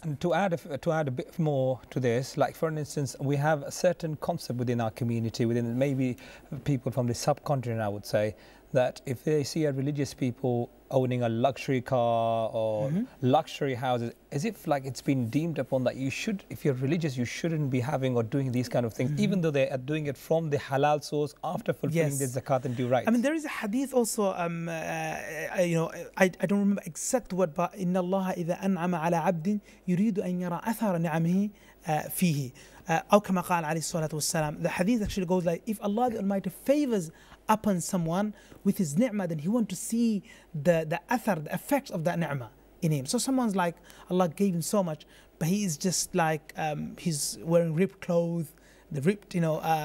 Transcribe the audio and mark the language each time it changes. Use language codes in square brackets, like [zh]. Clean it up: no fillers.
[en] And to add a bit more to this, like, for instance, we have a certain concept within our community, within maybe people from the subcontinent, I would say, that if they see a religious people owning a luxury car or luxury houses, as if like it's been deemed upon that you should, if you're religious, you shouldn't be having or doing these kind of things, even though they are doing it from the halal source after fulfilling the zakat and due rights. I mean, there is a hadith also, I don't remember exact word, but [ar] إِنَّ اللَّهَ إِذَا أَنْعَمَ عَلَى عَبْدٍ يُرِيدُ أَنْ يَرَى أَثَرَ نِعَمْهِ فِيهِ أو كما قال عليه الصلاة والسلام. [en] The hadith actually goes like, if Allah the Almighty favors upon someone with his ni'mah, then he want to see the athar, the effects of that ni'mah in him. So someone's like, Allah gave him so much, but he is just like, he's wearing ripped clothes, the ripped, you know,